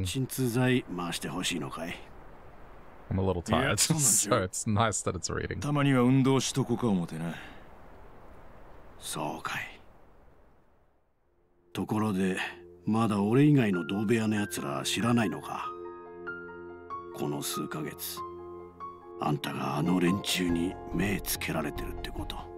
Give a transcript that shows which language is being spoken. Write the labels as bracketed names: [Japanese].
[Japanese] また鎮痛剤回してほしいのかい? [English] I'm a little tired, so it's nice that it's reading. [Japanese] たまには運動しとこか思ってな。そうかい。ところで、まだ俺以外の同部屋のやつら知らないのか。この数ヶ月、あんたがあの連中に目つけられてるってこと。